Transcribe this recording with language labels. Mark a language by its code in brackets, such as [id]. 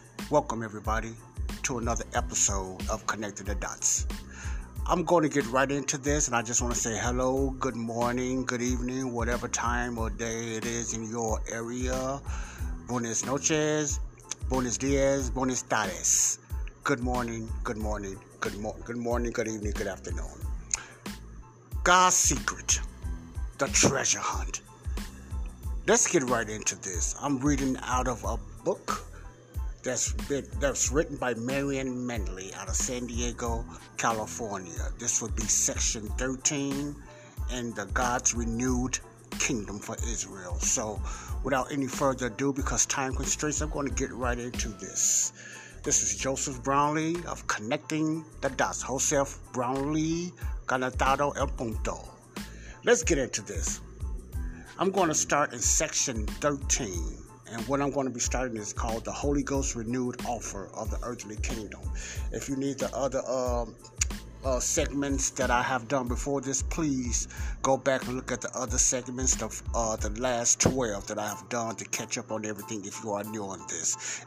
[en] Welcome, everybody, to another episode of Connecting the Dots. I'm going to get right into this, and I just want to say hello, good morning, good evening, whatever time or day it is in your area. [es] Buenas noches, buenos días, buenas tardes. [en] Good morning, good morning, good good morning, good evening, good afternoon. God's secret, the treasure hunt. Let's get right into this. I'm reading out of a book that's written by Marriene Manley out of San Diego, California. This would be section 13 in the God's Renewed Kingdom for Israel. So without any further ado, because time constraints, I'm going to get right into this. This is Joseph Brownlee of Connecting the Dots. Joseph Brownlee, Conectado el Punto. Let's get into this. I'm going to start in section 13. And what I'm going to be starting is called the Holy Ghost Renewed Offer of the Earthly Kingdom. If you need the other segments that I have done before this, please go back and look at the other segments of the last 12 that I have done to catch up on everything if you are new on this.